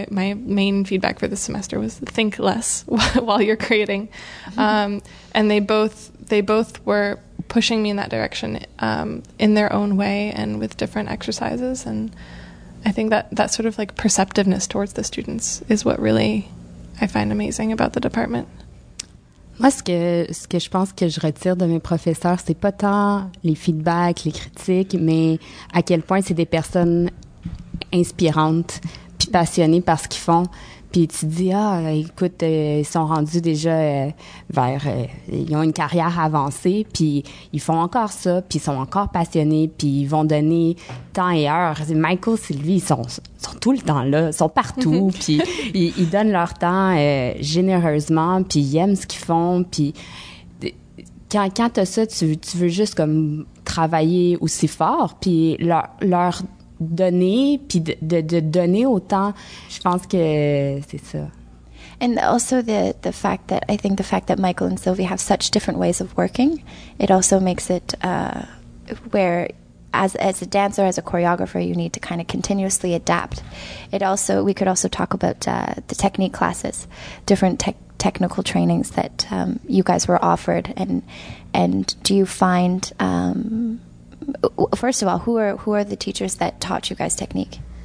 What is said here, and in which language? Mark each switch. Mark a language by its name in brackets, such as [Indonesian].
[English] My main feedback for this semester was think less while you're creating. Mm-hmm. And they both were pushing me in that direction in their own way and with different exercises. And I think that sort of like perceptiveness towards the students is what really I find amazing about the department. [French] Moi, ce que je pense que je retire de mes professeurs, c'est pas tant les feedbacks, les critiques, mais à quel point c'est des personnes inspirantes puis passionnées par ce qu'ils font. Puis tu dis, ah, écoute, ils sont rendus déjà ils ont une carrière avancée, puis ils font encore ça, puis ils sont encore passionnés, puis ils vont donner temps et heure. Michael, Sylvie, ils sont tout le temps là, ils sont partout, puis ils donnent leur temps généreusement, puis ils aiment ce qu'ils font, puis quand t'as ça, tu veux juste comme travailler aussi fort, puis leur donner, puis de donner autant, je pense que c'est ça. [English] And also the fact that Michael and Sylvie have such different ways of working, it also makes it where as a dancer, as a choreographer, you need to kind of continuously adapt. It also, we could also talk about the technique classes, different technical trainings that you guys were offered, and do you find first of all, who are the teachers that taught you guys technique?